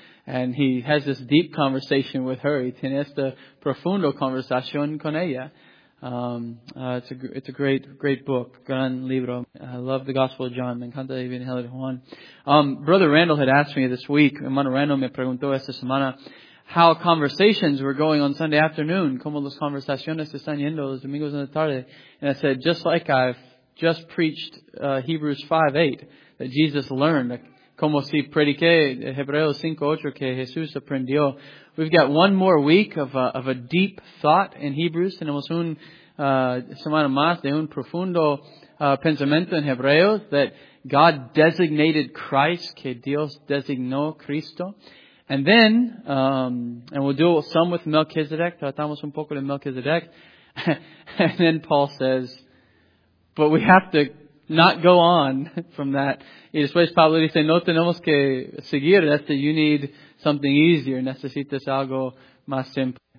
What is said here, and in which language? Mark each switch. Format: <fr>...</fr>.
<en>And he has this deep conversation with her.</en> <es>Y tiene esta profunda conversación con ella.</es> <en>It's a great, great book.</en> <es>Gran libro.</es> <en>I love the Gospel of John.</en> <es>Me encanta el Evangelio de Juan.</es> <en>Brother Randall had asked me this week.</en> <es>Hermano Randall me preguntó esta semana.</es> <en>How conversations were going on Sunday afternoon.</en> <es>Como las conversaciones están yendo los domingos en la tarde.</es> <en>And I said, just like I've just preached Hebrews 5:8, that Jesus learned.</en> <es>Como si prediqué Hebreos 5:8, que Jesús aprendió.</es> <en>We've got one more week of a deep thought in Hebrews.</en> <es>Tenemos un semana más de un profundo pensamiento en Hebreos.</es> <en>That God designated Christ,</en> <es>que Dios designó Cristo.</es> <en>And then, and we'll deal some with Melchizedek,</en> <es>tratamos un poco de Melchizedek.</es> <en>And then Paul says, but we have to not go on from that.</en> <es>Y después Pablo dice, no tenemos que seguir,</es> <en>that's that you need something easier,</en> <es>necesitas algo más simple.</es>